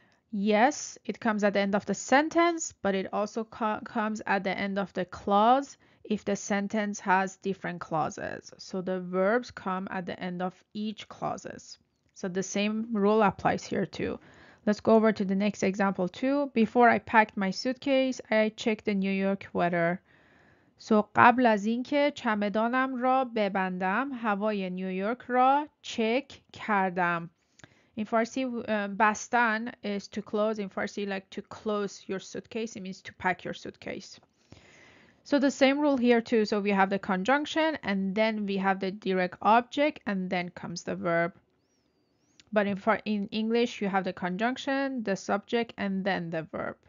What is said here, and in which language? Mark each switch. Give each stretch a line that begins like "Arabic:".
English: Yes, it comes at the end of the sentence, but it also comes at the end of the clause if the sentence has different clauses. So the verbs come at the end of each clauses. So the same rule applies here too. Let's go over to the next example too. Before I packed my suitcase, I checked the New York weather.
Persian: So قبل از اینکه چمدانم را ببندم هوای نیویورک را چک کردم.
English: In Farsi بستن is to close. In Farsi like to close your suitcase, it means to pack your suitcase. So the same rule here too. So we have the conjunction and then we have the direct object and then comes the verb. But in English you have the conjunction, the subject and then the verb.